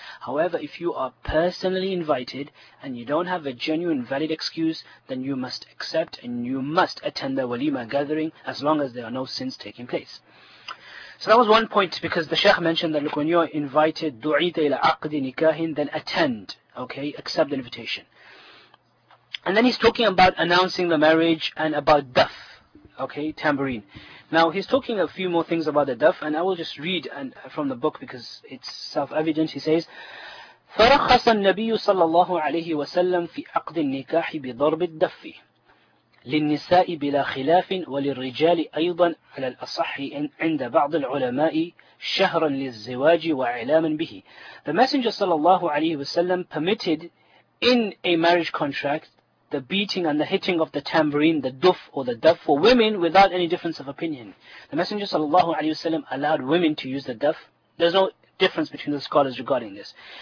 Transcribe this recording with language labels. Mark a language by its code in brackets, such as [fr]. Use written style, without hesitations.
[en] However, if you are personally invited and you don't have a genuine valid excuse, then you must accept and you must attend the walima gathering as long as there are no sins taking place. So that was one point, because the Sheikh mentioned that, look, when you're invited, [ar] du'ita ila aqdi nikahin, [en] then attend, okay, accept the invitation. And then he's talking about announcing the marriage and about daf, okay, tambourine. Now he's talking a few more things about the daf, and I will just read and from the book because it's self-evident. He says, [ar] فرخص النبي صلى الله عليه وسلم في عقد النكاح بضرب الدف للنساء بلا خلاف وللرجال أيضا على الأصح عند بعض العلماء شهرا للزواج وإعلاما به. [en] The Messenger صلى الله عليه وسلم permitted in a marriage contract the beating and the hitting of the tambourine, the duf or the daf, for women without any difference of opinion. The Messenger صلى الله عليه وسلم allowed women to use the daf. There's no difference between the scholars regarding this.